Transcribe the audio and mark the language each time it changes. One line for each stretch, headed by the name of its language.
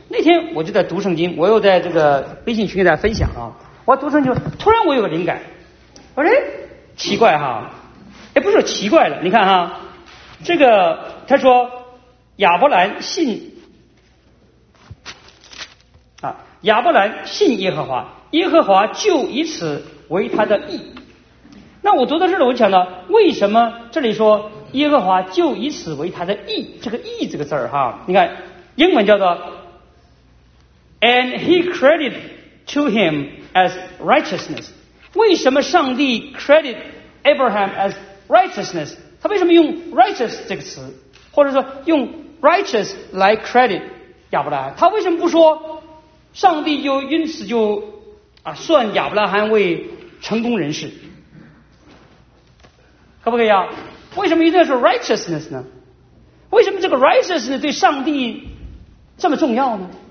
Chinese: 那天我就在读圣经，我又在这个微信群给大家分享啊，我读圣经突然我有个灵感，我说奇怪哈，不是奇怪了，你看哈，这个他说亚伯兰信亚伯兰信耶和华，耶和华就以此为他的义。那我读到这儿，我就想到为什么这里说耶和华就以此为他的义，这个义这个字儿哈，你看英文叫做
English: And he credited to him as righteousness。
Chinese: 为什么上帝
English: credit Abraham as righteousness？
Chinese: 他为什么用 righteous 这个词，或者说用 righteous 来 credit 亚伯拉罕？他为什么不说上帝就因此就算亚伯拉罕为成功人士，可不可以啊？为什么一定要说 righteousness 呢？为什么这个 righteousness 对上帝这么重要呢？